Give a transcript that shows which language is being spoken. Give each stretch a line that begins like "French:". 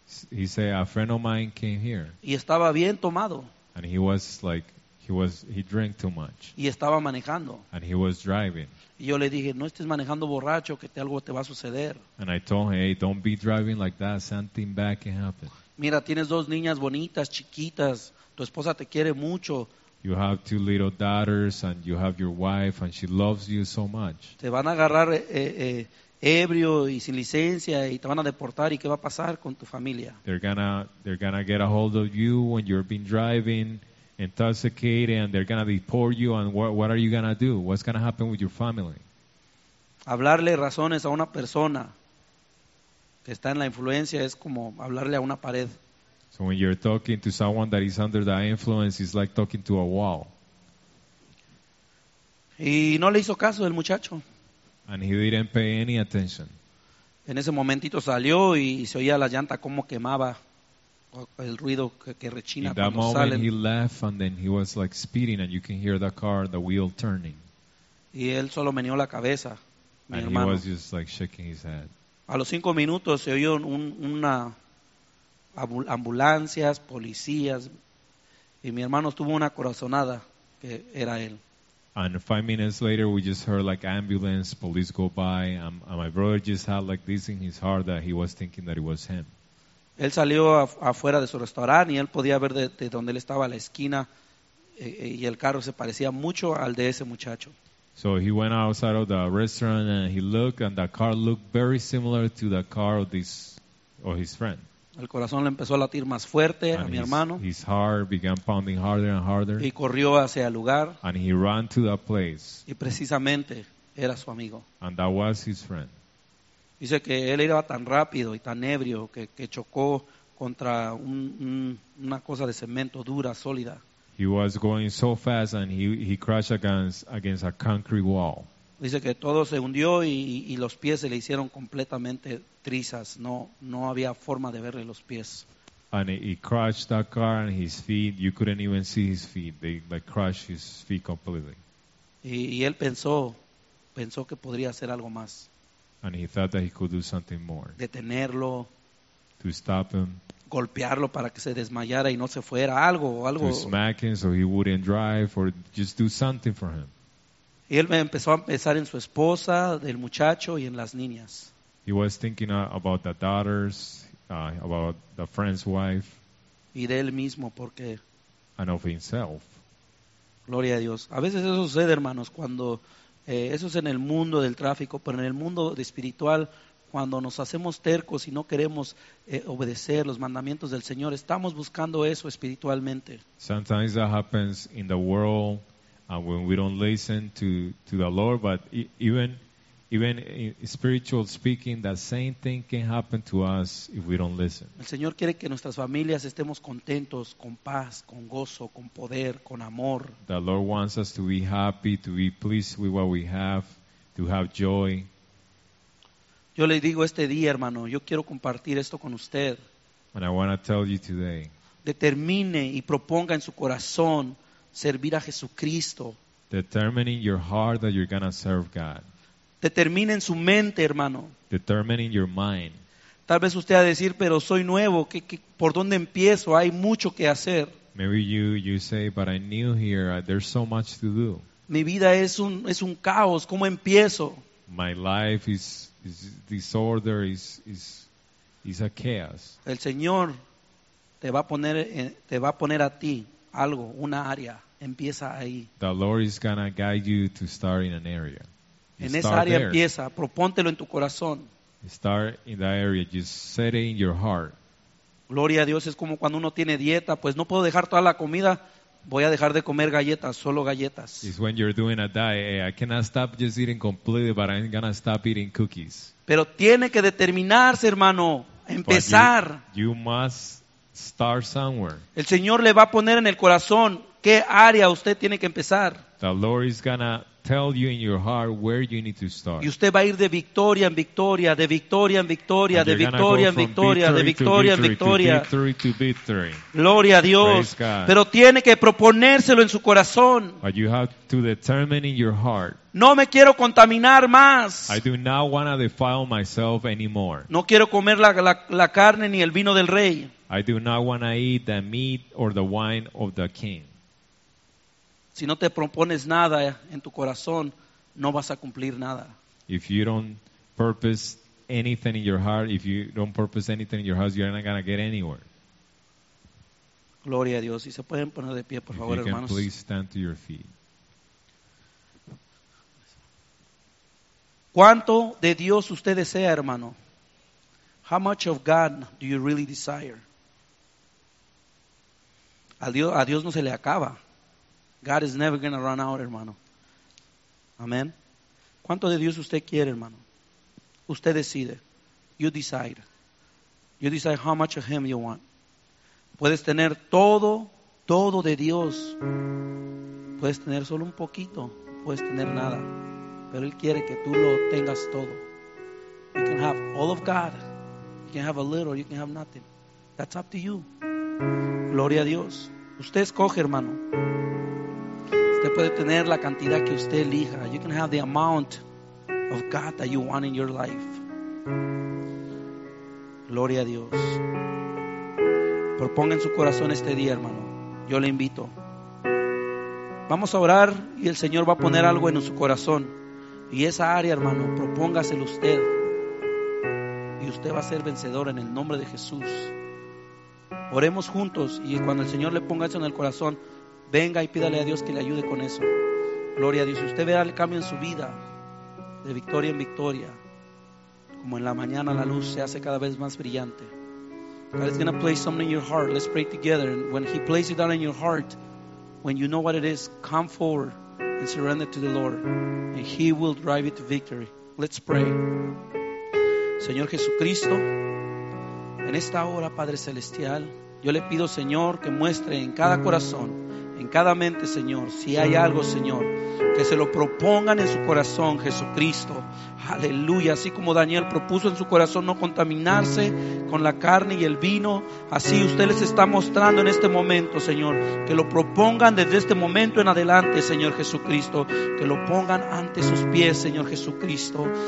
English: He said a friend of mine came here.
Spanish: Y estaba bien tomado.
English: And he was like, he he drank too much.
Spanish: Y estaba manejando.
English: And he was driving.
Spanish: Y yo le dije, no estés manejando borracho, que algo te va a suceder.
English: And I told him, hey, don't be driving like that, something bad can happen.
Spanish: Mira, tienes dos niñas bonitas, chiquitas, tu esposa te quiere mucho.
English: You have two little daughters and you have your wife and she loves you so much.
Spanish: Te van a agarrar ebrio y sin licencia y te van a deportar, ¿y qué va a pasar con tu familia?
English: They're gonna get a hold of you when you're been driving intoxicated and they're gonna deport you, and what are you gonna do? What's gonna happen with your family?
Spanish: Hablarle razones a una persona que está en la influencia es como hablarle a una pared.
English: So when you're talking to someone that is under that influence, it's like talking to a wall.
Spanish: Y no le hizo caso el muchacho.
English: And he didn't pay any attention.
Spanish: En ese momentito salió y se oía la llanta como quemaba, el ruido que rechina cuando salen.
English: In that moment he left and then he was like speeding and you can hear the car, the wheel turning.
Spanish: Y él solo meneó la cabeza, mi
English: and
Spanish: hermano.
English: And he was just like shaking his head.
Spanish: A los 5 minutos se oyó una ambulancias, policías, y mi hermano tuvo una corazonada que era él.
English: And 5 minutes later, we just heard like ambulance, police go by, and my brother just had like this in his heart that he was thinking that it was him.
Spanish: Él salió afuera de su restaurante y él podía ver de donde él estaba a la esquina, y el carro se parecía mucho al de ese muchacho.
English: So he went outside of the restaurant and he looked, and the car looked very similar to the car of this or his friend.
Spanish: El corazón le empezó a latir más fuerte
English: and
Spanish: a mi hermano.
English: His heart began pounding harder and harder.
Spanish: Y corrió hacia el lugar.
English: And he ran to that place.
Spanish: Y precisamente era su amigo.
English: And that was his friend.
Spanish: Dice que él iba tan rápido y tan ebrio que chocó contra una cosa de cemento dura, sólida.
English: He was going so fast and he crashed against a concrete wall.
Spanish: Dice que todo se hundió y los pies se le hicieron completamente trizas. No había forma de verle los pies.
English: And he crashed that car and his feet, you couldn't even see his feet. They like crushed his feet completely.
Spanish: Y él pensó que podría hacer algo más.
English: And he thought that he could do something more.
Spanish: Detenerlo.
English: To stop him.
Spanish: Golpearlo para que se desmayara y no se fuera. Algo.
English: To smack him so he wouldn't drive, or just do something for him.
Spanish: Y él me empezó a pensar en su esposa, del muchacho y en las niñas.
English: He was thinking about the daughters, about the friend's wife.
Spanish: Y de él mismo, porque.
English: And of himself.
Spanish: Gloria a Dios. A veces eso sucede, hermanos, cuando eso es en el mundo del tráfico, pero en el mundo espiritual, cuando nos hacemos tercos y no queremos obedecer los mandamientos del Señor, estamos buscando eso espiritualmente.
English: Sometimes that happens in the world. And when we don't listen to the Lord, but even in spiritual speaking, that same thing can happen to us if we don't listen.
Spanish: El Señor quiere que nuestras familias estemos contentos, con paz, con gozo, con poder, con amor.
English: The Lord wants us to be happy, to be pleased with what we have, to have joy.
Spanish: Yo le digo este día, hermano, yo quiero compartir esto con usted.
English: And I want to tell you today.
Spanish: Determine y proponga en su corazón servir a Jesucristo.
English: Determine in your heart that you're gonna serve God.
Spanish: Determine en su mente, hermano.
English: Determine in your mind.
Spanish: Tal vez usted va a decir, pero soy nuevo, ¿qué, por dónde empiezo? Hay mucho que hacer.
English: Maybe you say, but I'm new here. There's so much to do.
Spanish: Mi vida es un caos. ¿Cómo empiezo?
English: My life is disorder. Is a chaos.
Spanish: El Señor te va a poner a ti. Algo, una área, empieza ahí.
English: The Lord is gonna guide you to start in an area.
Spanish: En esa área empieza, propóntelo en tu corazón.
English: Start in that area, just set it in your heart.
Spanish: Gloria a Dios, es como cuando uno tiene dieta, pues no puedo dejar toda la comida, voy a dejar de comer galletas, solo galletas.
English: It's when you're doing a diet, I cannot stop just eating completely, but I'm gonna stop eating cookies.
Spanish: Pero tiene que determinarse, hermano, empezar.
English: You must... Start somewhere.
Spanish: El Señor le va a poner en el corazón qué área usted tiene que empezar.
English: The Lord is gonna tell you in your heart where you need to start.
Spanish: Y usted va a ir de victoria en victoria, de victoria en victoria, de victoria en victoria, de victoria en victoria.
English: Victory to victory.
Spanish: Gloria a Dios.
English: Praise God.
Spanish: Pero tiene que proponérselo en su corazón.
English: But you have to determine in your heart.
Spanish: No me quiero contaminar más.
English: I do not want to defile myself anymore.
Spanish: No quiero comer la carne ni el vino del rey.
English: I do not want to eat the meat or the wine of the king.
Spanish: Si no te propones nada en tu corazón, no vas a cumplir nada.
English: If you don't purpose anything in your heart, if you don't purpose anything in your house, you're not going to get anywhere.
Spanish: Gloria a Dios. Y se pueden poner de pie, por favor, hermanos.
English: If you can, please stand to your feet.
Spanish: ¿Cuánto de Dios usted desea, hermano?
English: How much of God do you really desire?
Spanish: A Dios no se le acaba.
English: God is never going to run out, hermano.
Spanish: Amén. ¿Cuánto de Dios usted quiere, hermano? Usted decide.
English: You decide. You decide how much of Him you want.
Spanish: Puedes tener todo, todo de Dios. Puedes tener solo un poquito. Puedes tener nada. Pero Él quiere que tú lo tengas todo.
English: You can have all of God. You can have a little. You can have nothing. That's up to you.
Spanish: Gloria a Dios. Usted escoge, hermano. Usted puede tener la cantidad que usted elija.
English: You can have the amount of God that you want in your life.
Spanish: Gloria a Dios. Proponga en su corazón este día, hermano. Yo le invito. Vamos a orar y el Señor va a poner algo en su corazón. Y esa área, hermano, propóngaselo usted. Y usted va a ser vencedor en el nombre de Jesús. Oremos juntos y cuando el Señor le ponga eso en el corazón, venga y pídale a Dios que le ayude con eso. Gloria a Dios. Y usted verá el cambio en su vida, de victoria en victoria. Como en la mañana la luz se hace cada vez más brillante.
English: God is going to place something in your heart. Let's pray together. And when He places that in your heart, when you know what it is, come forward and surrender to the Lord. And He will drive you to victory. Let's pray.
Spanish: Señor Jesucristo, en esta hora, Padre Celestial, yo le pido, Señor, que muestre en cada corazón, en cada mente, Señor, si hay algo, Señor, que se lo propongan en su corazón, Jesucristo. Aleluya, así como Daniel propuso en su corazón no contaminarse con la carne y el vino, así usted les está mostrando en este momento, Señor, que lo propongan desde este momento en adelante, Señor Jesucristo, que lo pongan ante sus pies, Señor Jesucristo.